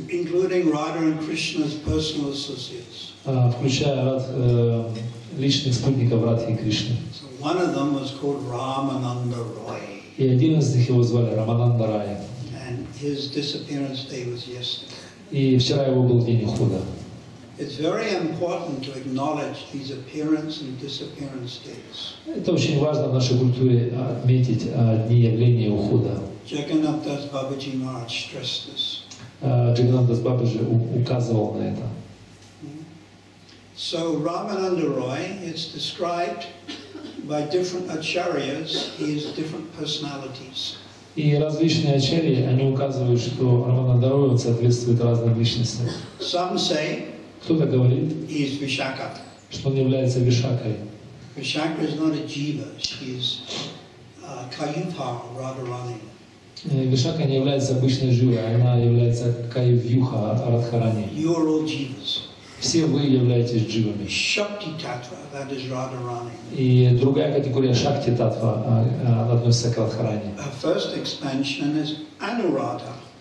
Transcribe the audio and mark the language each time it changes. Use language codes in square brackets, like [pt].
[en] including Radha and Krishna's personal associates. [ru] Включая личных спутников Радхи и Кришны. [en] So one of them was called Ramananda Roy. [ru] И один из них его звали Рамананда Рай. [en] And his disappearance day was yesterday. [ru] И вчера его был день ухода. [en] It's very important to acknowledge these appearance and disappearance dates. [ru] Это очень важно в нашей культуре отметить дни явления и ухода. [en] Jagannath Das Babaji Maharaj stressed this. [ru] Jagannath Das Babaji указывал на это. [en] So Ramananda Roy is described by different acharyas. He has different personalities. [ru] И различные ачарьи, они указывают, что Рамананда Рой соответствует разным личностям. [en] Some say. [ru] Кто-то говорит, [en] he's Vishaka. [ru] Что он является Вишакой. [en] Vishaka is not a jiva, she's Kayuha Radharani. [ru] Вишака не является обычной живой, она является Кайвьюха Радхарани. [en] You are all jivas. [ru] Все вы являетесь дживами. [en] Shakti Tattva, that is Radharani. [ru] И другая категория Шакти Татва относится к Радхарани. [en] Her first expansion is Anuradha.